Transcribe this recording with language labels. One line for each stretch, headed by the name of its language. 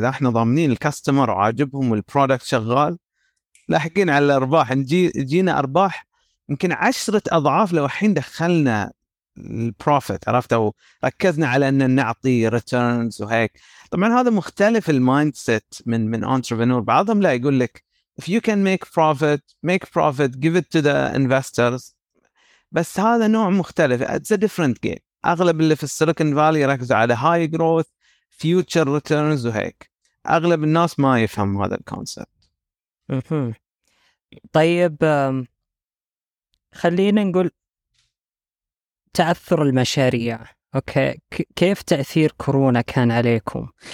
Arabic: اذا احنا ضامنين الكاستمر وعاجبهم والبرودكت شغال لاحقين على الارباح، جينا ارباح يمكن 10 أضعاف لو الحين دخلنا البروفيت، عرفت؟ او ركزنا على ان نعطي ريترنز وهيك. طبعا هذا مختلف المايند سيت من انتربرنور. بعضهم لا يقول لك
English: if you can make profit make profit give it to the investors،
Arabic: بس هذا نوع مختلف،
English: it's a different game.
Arabic: اغلب اللي في السيليكون فالي ركزوا على هاي جروث فيوتشر ريترنز وهيك، اغلب الناس ما يفهم هذا الكونسبت. طيب خلينا نقول تأثر المشاريع، أوكي، كيف تأثير كورونا كان عليكم؟